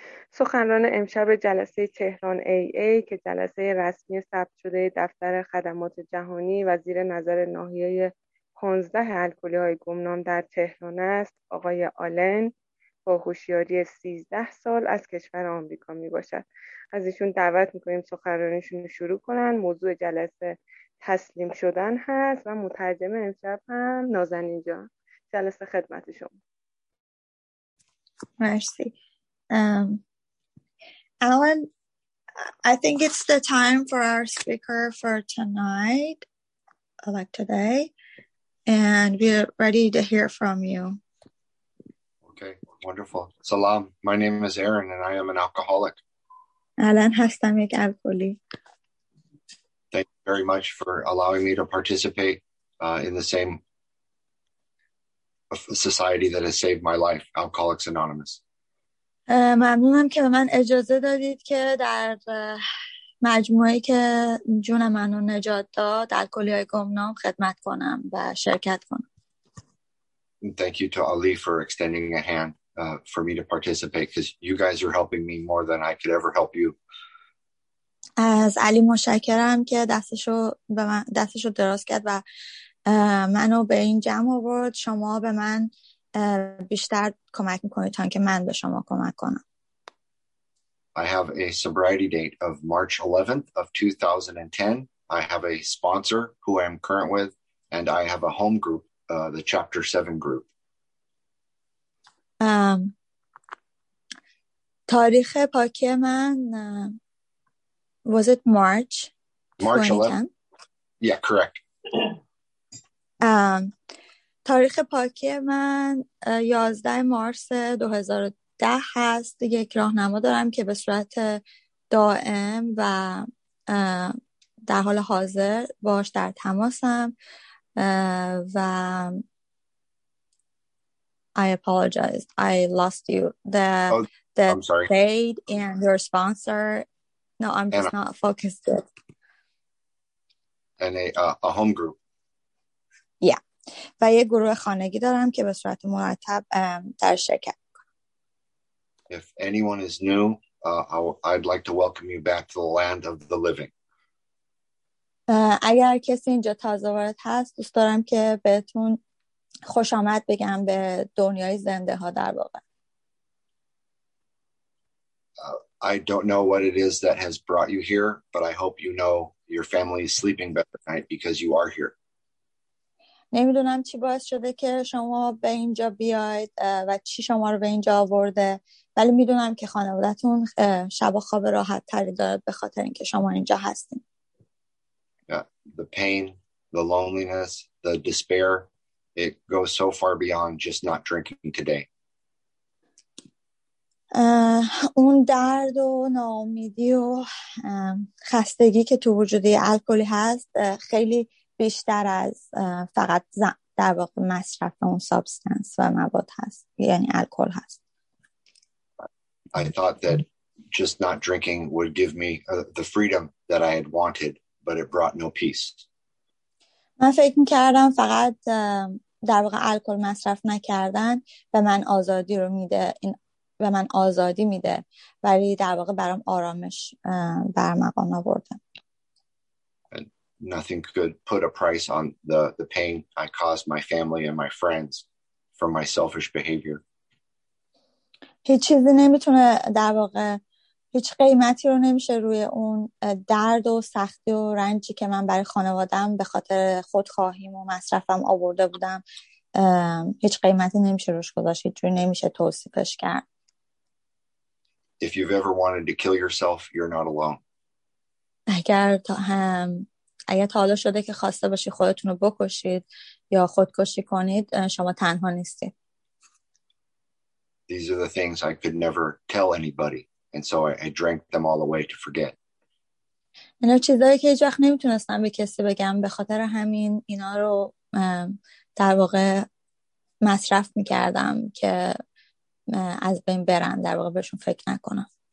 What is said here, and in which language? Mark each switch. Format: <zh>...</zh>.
<fa>سخنران امشب جلسه تهران AA که جلسه رسمی ثبت شده دفتر خدمات جهانی و زیر نظر ناحیه 15 الکلی های گمنام در تهران است، آقای آلن با هوشیاری 13 سال از کشور آمریکا می باشد. از ایشون دعوت می کنیم سخنرانیشون رو شروع کنند. موضوع جلسه تسلیم شدن هست و مترجم امشب هم نازنین جان. جلسه خدمت شما.</fa> <fr>Mercy.</fr> <en>Alan, I think it's the time for our speaker for tonight, like today, and we're ready to hear from you. Okay, wonderful. Salam. My name is Aaron, and I am an alcoholic.</en> <fa>Alan hastam yek alkoli.</fa> <en>Thank you very much for allowing me to participate in the same society that has saved my life, Alcoholics Anonymous.</en> <fa>ممنونم که به من اجازه دادید که در مجموعه که جون منو نجات داد در کلیه گمنام خدمت کنم و شرکت کنم.</fa> <en>Thank you to Ali for extending a hand for me to participate because you guys are helping me more than I could ever help you.</en> <fa>از علی مشکرم که دستشو به من دستشو دراز کرد و منو به این جمع آورد. شما به من بیشتر کمک میکنید تا اینکه من به شما کمک کنم.</fa> <en>I have a sobriety date of March 11th of 2010. I have a sponsor who I am current with and I have a home group, the chapter 7 group.</en> <fa>تاریخ پاکی من</fa> <en>was it March 2010? March 11th. Yeah, correct.</en> <fa>تاریخ پاکی من 11 مارس 2010 هست. یک راهنما دارم که به صورت دائم و در حال حاضر باش در تماسم و</fa> <en>I apologize. I lost you. The I'm sorry. Date and your sponsor. No, I'm just not focused. And a home group. Yeah.</en> <fa>و یه گروه خانگی دارم که به صورت مرتب در شرکت می‌کنم.</fa> <en>If anyone is new, I'd like to welcome you back to the land of the living.</en> <fa>اگر کسی اینجا تازه وارد هست، دوست دارم که بهتون خوش آمد بگم به دنیای زنده ها در واقع.</fa> <en>I don't know what it is that has brought you here, but I hope you know your family is sleeping better tonight because you are here.</en> <fa>نمیدونم چی باعث شده که شما به اینجا بیاید و چی شما رو به اینجا آورده، ولی میدونم که خانوادتون شب و خواب راحت تری دارد به خاطر اینکه شما اینجا هستین.</fa> <en>The pain, the loneliness, the despair, it goes so far beyond just not drinking today.</en> <fa>اون درد و ناامیدی و خستگی که تو وجودی الکلی هست خیلی بیشتر از فقط در واقع مصرف اون سابستنس و مواد هست، یعنی الکل هست.</fa> <en>I thought that just not drinking would give me the freedom that I had wanted, but it brought no peace.</en> <fa>من فکر می‌کردم فقط در واقع الکل مصرف نکردن به من آزادی رو میده، این به من آزادی میده، ولی در واقع برام آرامش برمغان آورده.</fa> <en>Nothing could put a price on the pain I caused my family and my friends from my selfish behavior.</en> <fa>هیچ چیزی نمیتونه در واقع هیچ قیمتی رو نمیشه روی اون درد و سختی و رنجی که من برای خانوادم به خاطر خودخواهیم و مصرفم آورده بودم هیچ قیمتی نمیشه روش گذاشت، هیچ جوری نمیشه توصیفش کرد.</fa> <en>If you've ever wanted to kill yourself, you're not alone.</en> <fa>اگر تا هم اگه تا حالا شده که خواسته باشی خودتون رو بکشید یا خودکشی کنید شما تنها نیستید.</fa> <en>These are the things I could never tell anybody and so I drank them all away to forget.</en> <fa>اینا چیزایی که هیچ وقت نمیتونستم به کسی بگم، به خاطر همین اینا رو در واقع مصرف میکردم که از بین برن، در واقع بهشون فکر نکنم.</fa>